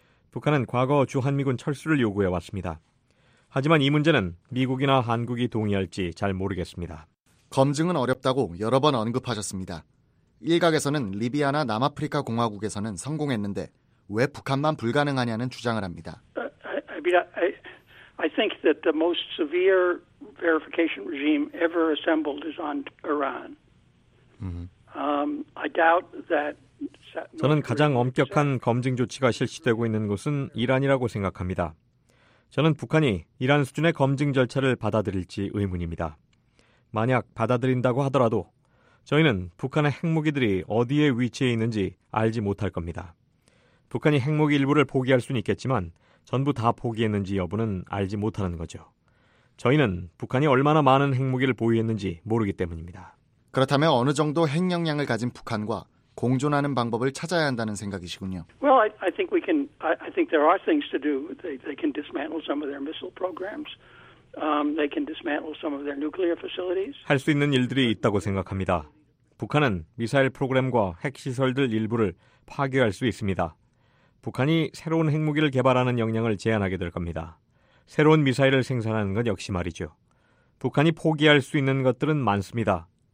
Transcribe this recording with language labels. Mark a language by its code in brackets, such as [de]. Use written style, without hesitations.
[ko] 북한은 과거 주한미군 철수를 요구해 왔습니다. 하지만 이 문제는 미국이나 한국이 동의할지 잘 모르겠습니다. 검증은 어렵다고 여러 번 언급하셨습니다. 일각에서는 리비아나 남아프리카 공화국에서는 성공했는데 왜 북한만 불가능하냐는 주장을 합니다. [en] I think that the most severe verification regime ever assembled is on Iran. I doubt that. [ko] 저는 가장 엄격한 검증 조치가 실시되고 있는 곳은 이란이라고 생각합니다. 저는 북한이 이란 수준의 검증 절차를 받아들일지 의문입니다. 만약 받아들인다고 하더라도 저희는 북한의 핵무기들이 어디에 위치해 있는지 알지 못할 겁니다. 북한이 핵무기 일부를 포기할 수는 있겠지만 전부 다 포기했는지 여부는 알지 못하는 거죠. 저희는 북한이 얼마나 많은 핵무기를 보유했는지 모르기 때문입니다. 그렇다면 어느 정도 핵 역량을 가진 북한과 공존하는 방법을 찾아야 한다는 생각이시군요. [en] Well, I think there are things to do. They can dismantle some of their missile programs. They can dismantle some of their nuclear facilities. [ko] 할 수 있는 일들이 있다고 생각합니다. 북한은 미사일 프로그램과 핵 시설들 일부를 파괴할 수 있습니다. 북한이 새로운 핵무기를 개발하는 역량을 제한하게 될 겁니다. 새로운 미사일을 생산하는 건 역시 말이죠. 북한이 포기할 수 있는 것들은 많습니다.